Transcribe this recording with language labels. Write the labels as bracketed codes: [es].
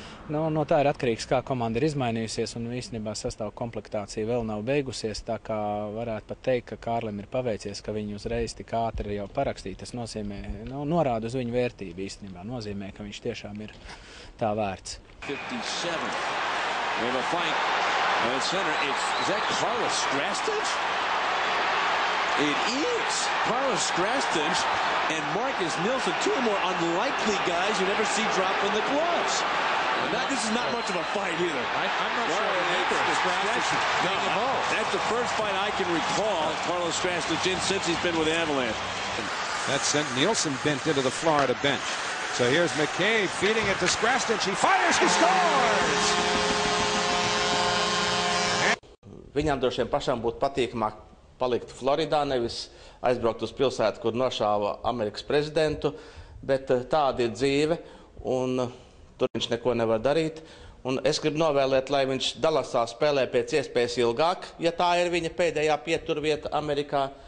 [lv] Nu, no tā ir atkarīgs, kā komanda ir izmainījusies un īstenībā sastāv komplektācija vēl nav beigusies, tā kā varētu pat teikt, ka Kārlim ir paveicies, ka viņi uzreiz tik ātri jau parakstīt. Tas nozīmē, nu, norāda uz viņu vērtību īstenībā, nozīmē, ka viņš tiešām ir tā vērts. [en] 57. We have a fight. And the center, it's, is that Karlis Skrastinsh? It is Karlis Skrastinsh and Marcus Nilsson, two more unlikely guys you never see drop from the gloves. Not, this is not much of a fight either. I'm not well, sure. That's the first fight I can recall Karlis Skrastinsh in since he's been with Avalanche. That sent Nilsson bent into the Florida bench. So here's McKay feeding it to Skrastinsh. He fires, he scores! [lv] Viņam droši vien pašam būtu patīkamāk palikt Floridā, nevis aizbraukt uz pilsētu, kur nošāva Amerikas prezidentu, bet tāda ir dzīve, un tur viņš neko nevar darīt. Un es gribu novēlēt, lai viņš Dallasā spēlē pēc iespējas ilgāk, ja tā ir viņa pēdējā pieturvieta Amerikā.